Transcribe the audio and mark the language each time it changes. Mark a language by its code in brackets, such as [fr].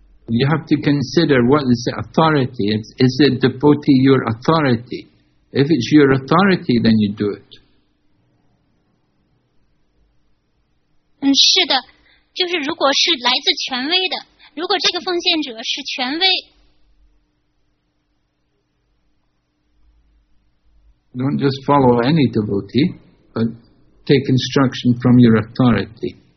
[en] You have to consider what is the authority. Is the devotee your authority? If it's your authority, then you do it. [zh] 是的，就是如果是来自权威的，如果这个奉献者是权威。 [en] Don't just follow any devotee, but take instruction from your authority.